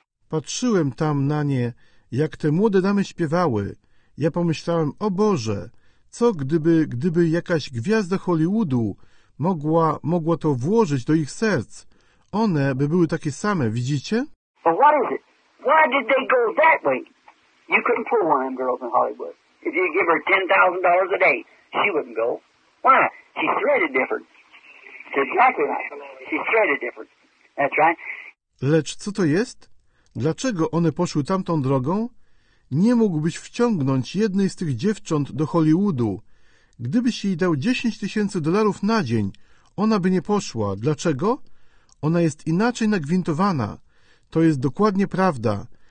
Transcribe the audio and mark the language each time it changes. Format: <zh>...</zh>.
<pl>Patrzyłem tam na nie, jak te młode damy śpiewały. Ja pomyślałem, o Boże, co gdyby jakaś gwiazda Hollywoodu mogła to włożyć do ich serc. One by były takie same, widzicie?</pl> <en>But what is it? Why did they go that way? You couldn't pull one of them girls in Hollywood. If you give her $10,000 a day, she wouldn't go. Why? She's threaded different. It's exactly right. She's threaded different. That's right.</en> <pl>Lecz co to jest? Dlaczego one poszły tamtą drogą? Nie mógłbyś wciągnąć jednej z tych dziewcząt do Hollywoodu. Gdybyś jej dał $10,000 na dzień, ona by nie poszła. Dlaczego? Ona jest inaczej nagwintowana. To jest dokładnie prawda.</pl>